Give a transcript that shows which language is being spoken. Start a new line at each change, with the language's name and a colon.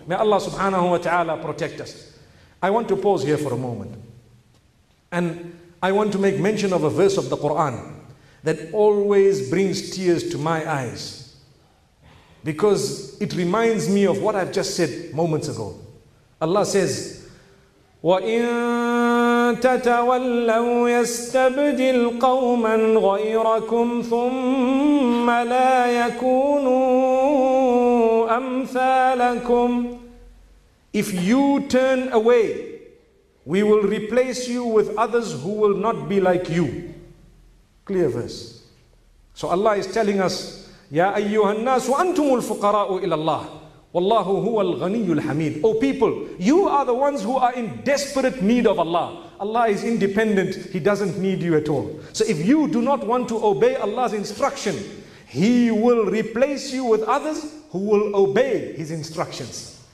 English: May Allah subhanahu wa ta'ala protect us. I want to pause here for a moment. And I want to make mention of a verse of the Quran that always brings tears to my eyes, because it reminds me of what I've just said moments ago. Allah says,
Arabic: وَإِن تَتَوَلَّوْا يَسْتَبْدِلْ قَوْمًا غَيْرَكُمْ ثُمَّ لَا يَكُونُوا أَمْثَالَكُمْ.
English: If you turn away, we will replace you with others who will not be like you. Clear verse. So Allah is telling us,
Arabic: يَا أَيُّهَا النَّاسُ أَنْتُمُ الْفُقَرَاءُ إِلَى اللَّهِ. والله هو الغني الحميد.
English: Oh people, you are the ones who are in desperate need of Allah. Allah is independent, He doesn't need you at all. So if you do not want to obey Allah's instruction, He will replace you with others who will obey His instructions.